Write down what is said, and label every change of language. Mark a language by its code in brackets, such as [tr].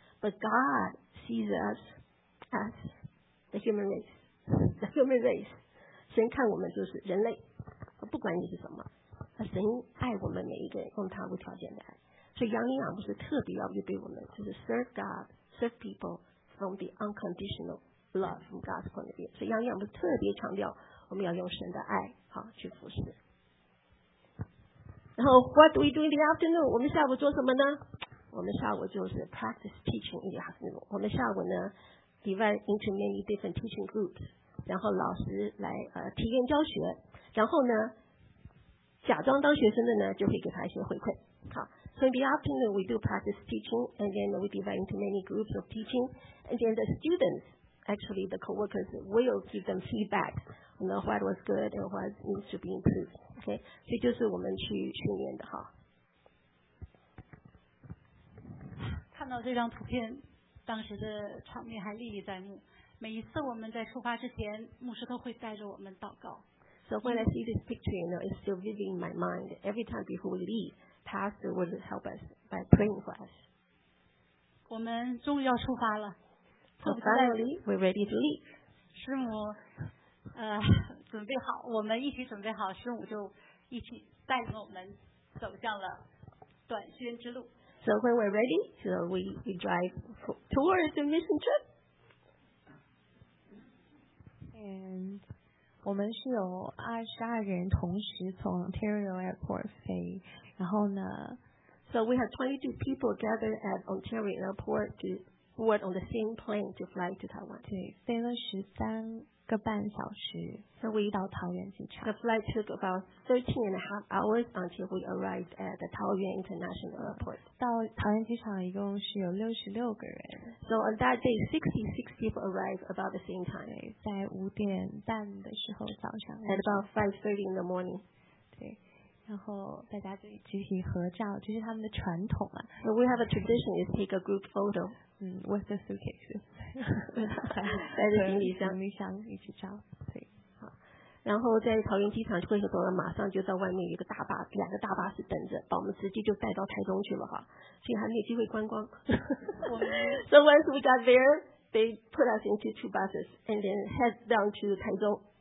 [en] But God sees us as the human race. The human race. [zh] 神看我们就是人类，不管你是什么，神爱我们每一个人，用他无条件的爱。所以杨林朗不是特别要预备我们，就是 [en] serve God, serve people from the unconditional love from God's point of view. [zh] 所以杨林朗不是特别强调我们要用神的爱好去服侍。然后 [en] what do we do in the afternoon? [zh] 我们下午做什么呢？我们下午就是 [en] practice teaching in the afternoon. [zh] 我们下午呢 [en] divide into many different teaching groups, [zh] 然后老师来体验教学，然后呢假装当学生的呢就会给他一些回馈。 [en] 好，So in the afternoon, we do practice teaching, and then we divide into many groups of teaching. And then the students, actually the co-workers, will give them feedback, you know, what was good and what needs to be improved. [zh] Okay, 所以就是我们去训练的哈。看到这张图片，当时的场面还历历在目。每一次我们在出发之前，牧师都会带着我们祷告。 [en] So when I see this picture, you know, it's still vivid in my mind. Every time before we leave,Pastor would help us by praying for us. [zh] 我们终于要出发了。 [en] So finally, we're ready to leave. [zh] 师母，准备好，我们一起准备好，师母就一起带领我们走向了短宣之路。 [en] So when we're ready, so we drive towards the mission trip. [zh] And 我们是有22人同时从 Ontario Airport 飞。然后呢 [en] So we have 22 people gathered at Ontario Airport to board on the same plane to fly to Taiwan. [zh] 对，飞了13个半小时 [en] So we [zh] 到桃园机场。 [en] The flight took about 13 and a half hours until we arrived at the 桃园 International Airport. [zh] 到桃园机场一共是有66个人。 [en] So on that day, 66 people arrived about the same time. [zh] 在五点半的时候早上。 [en] At about 5:30 in the morning. [zh] 对。然后大家就集体合照，这是他们的传统啊。 [en] So we have a tradition is take a group photo. 嗯 ，with the suitcases， [zh] 带着行李箱、行李箱一起照。对，好。然后在桃园机场汇合完了，马上就在外面有一个大巴，两个大巴是等着，把我们直接就带到台中去了哈。所以还没有机会观光。 [en] So once we got there, they put us into two buses and then head down to 台中。